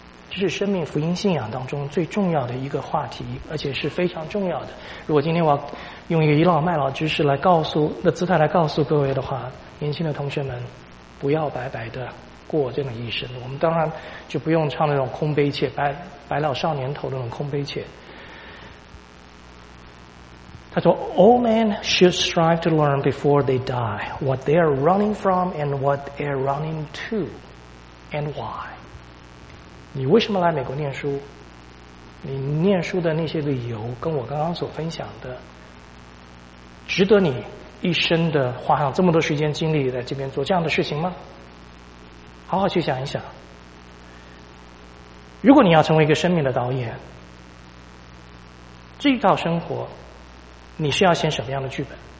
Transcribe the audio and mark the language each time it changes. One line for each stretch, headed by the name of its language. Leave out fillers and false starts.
Chinese: 这是生命福音信仰当中最重要的一个话题，而且是非常重要的。如果今天我用一个倚老卖老知识来告诉的姿态来告诉各位的话，年轻的同学们不要白白的过这种一生。我们当然就不用唱那种空悲切，白老少年头的那种空悲切。他说
English: All men should strive to learn before they die what they are running from and what they are running to and why。
Chinese: 你为什么来美国念书？你念书的那些理由跟我刚刚所分享的值得你一生的花上这么多时间精力在这边做这样的事情吗？好好去想一想。如果你要成为一个生命的导演，这一套生活你是要写什么样的剧本？